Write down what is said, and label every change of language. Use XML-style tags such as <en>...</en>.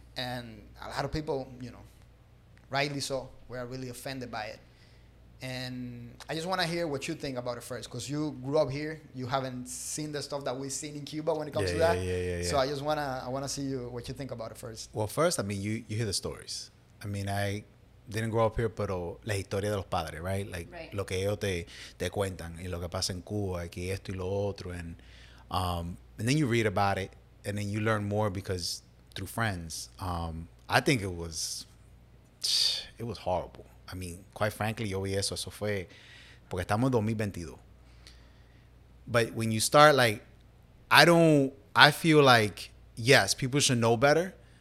<en>And a lot of people, you know, rightly so, were really offended by it. And I just want to hear what you think about it first, because you grew up here. You haven't seen the stuff that we've seen in Cuba when it comes to that. Yeah. So I just want to see what you think about it first. Well, first, I mean, you hear the stories. I mean, I didn't grow up here,</en> <es>pero la historia de los padres,</es> <en>right? Like, right.</en> <es>Lo que ellos te cuentan y lo que pasa en Cuba, aquí esto y lo otro.</es> <en>And then you read about it, and then you learn more because through friends. I think it was horrible. I mean, quite frankly,</en> <es>yo vi eso. Eso fue porque estamos en 2022.</es> <en>But when you start, like, I feel like, yes, people should know better.</en>